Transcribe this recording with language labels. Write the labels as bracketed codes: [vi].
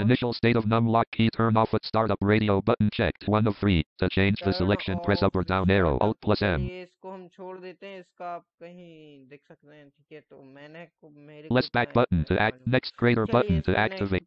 [en] initial state of num lock key, turn off at startup, radio button checked, 1 of 3, to change turn the selection, press up or down arrow, alt plus m, [hi] इसको हम छोड़ देते हैं, इसका आप कहीं देख सकते हैं, ठीक है, तो मैंने को मेरे [en] less back button to act, next greater button to activate,